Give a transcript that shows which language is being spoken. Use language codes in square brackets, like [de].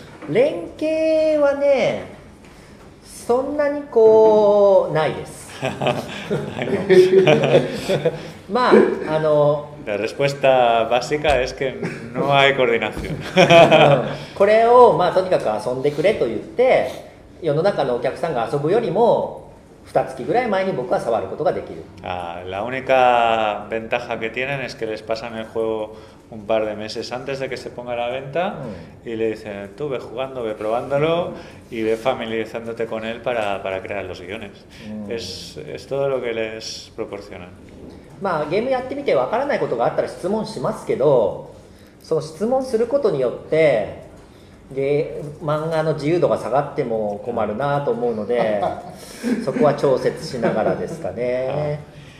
[ja] 連携はね、そんなにこうないです。まあ、 [es] La respuesta básica es que no hay coordinación. [ja] これをまあとにかく遊んでくれと言って、世の中のお客さんが遊ぶよりも普 2月ぐらい前に僕は触ることができる。 [es] La única ventaja que tienen es que les pasan el juego un par de meses antes de que se ponga a la venta y le dicen, tú ve jugando, ve probándolo y ve familiarizándote con él para crear los guiones. Es todo lo que les proporcionan. [ja] まあ、ゲームやってみて分からないことがあったら質問しますけど、その質問することによって、で漫画の自由度が下がっても困るなと思うので、そこは調節しながらですかね。